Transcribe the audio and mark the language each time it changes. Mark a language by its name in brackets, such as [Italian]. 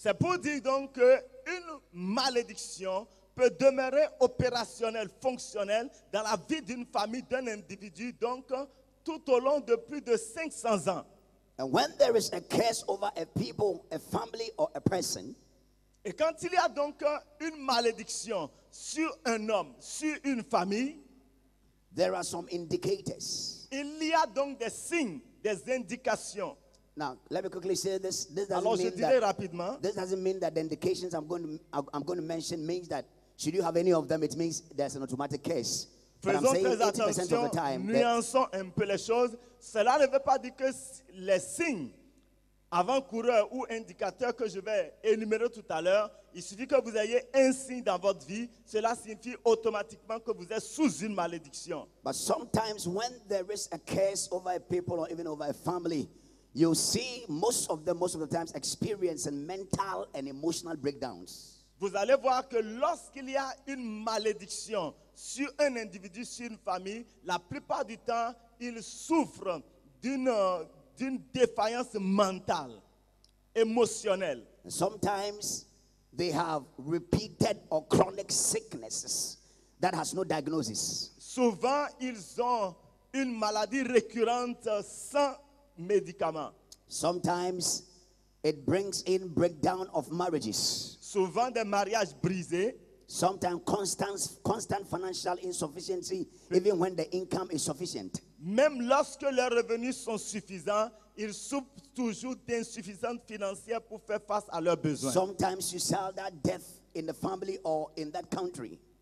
[French] C'est pour dire donc qu'une malédiction peut demeurer opérationnel, fonctionnel dans la vie d'une famille, d'un individu, donc tout au long de plus de 500 ans. [English] And when there is a curse over a people, a family or a person, [French] Et quand il y a donc une malédiction sur un homme, sur une famille, [English] there are some indicators. [French] Il y a donc des signes, des indications. [English] Now, let me quickly say this. This doesn't [French] alors, [English] mean [French] je dirai rapidement. [English] This doesn't mean that the indications I'm going to mention means that should you have any of them, it means there's an automatic case. [French] Faisons très attention, nuançons un peu les choses. Cela ne veut pas dire que les signes avant-coureurs ou indicateurs que je vais énumérer tout à l'heure, il suffit que vous ayez un signe dans votre vie, cela signifie automatiquement que vous êtes sous une malédiction. [English] But sometimes when there is a curse over a people or even over a family, you see most of the times experiencing mental and emotional breakdowns. [French] Vous allez voir que lorsqu'il y a une malédiction sur un individu, sur une famille, la plupart du temps, il souffre d'une défaillance mentale, émotionnelle. [English] Sometimes they have repeated or chronic sicknesses that has no diagnosis. [French] Souvent, ils ont une maladie récurrente sans médicament. [English] Sometimes it brings in breakdown of marriages. [French] Souvent des mariages brisés. [English] Sometimes constant financial insufficiency, even when the income is sufficient. [French] Même lorsque leurs revenus sont suffisants, ils souffrent toujours d'insuffisance financière pour faire face à leurs besoins. [English] Sometimes you sell that death in the family or in that country.